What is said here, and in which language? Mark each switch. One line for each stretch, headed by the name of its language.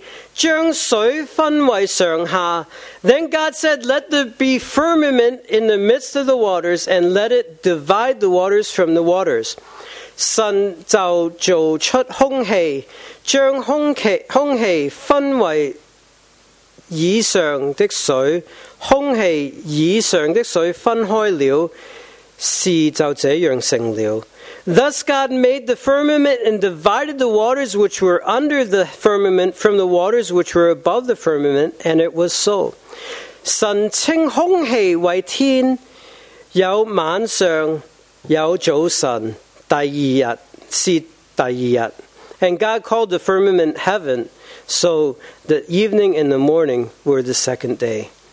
Chinese: 神说诸水之间要有空气，将水分为上下。
English: Then God said, let there be firmament in the midst of the waters, and let it divide the waters from the waters.
Chinese: 神就做出空气，将空气分为以上的水，空气以上的水分开了，事就这样成了。
English: Thus God made the firmament and divided the waters which were under the firmament from the waters which were above the firmament, and it was so.
Chinese: 神称空气为天，有晚上，有早晨，第二日是第二日。
English: And God called the firmament heaven, so the evening and the morning were the second day.